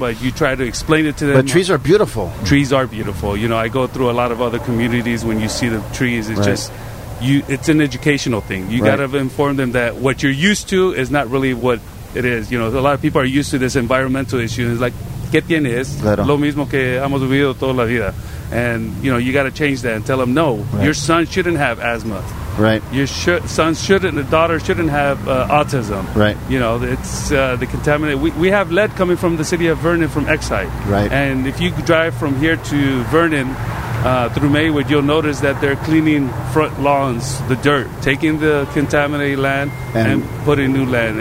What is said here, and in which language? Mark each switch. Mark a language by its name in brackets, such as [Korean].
[English] But you try to explain it to them. But trees are beautiful. Trees are beautiful. You know, I go through a lot of other communities when you see the trees. It's just... it's an educational thing. You got to inform them that what you're used to is not really what it is. You know, a lot of people are used to this environmental issue. [Spanish] It's like, ¿qué tienes? Claro. Lo mismo que hemos vivido toda la vida. [English] And, you know, you got to change that and tell them, no, your son shouldn't have asthma. Right. Your son shouldn't, the daughter shouldn't have autism. Right. You know, it's the contaminant. We have lead coming from the city of Vernon from Exide. Right. And if you drive from here to Vernon, through Maywood, you'll notice that they're cleaning front lawns, the dirt, taking the contaminated land and putting new land.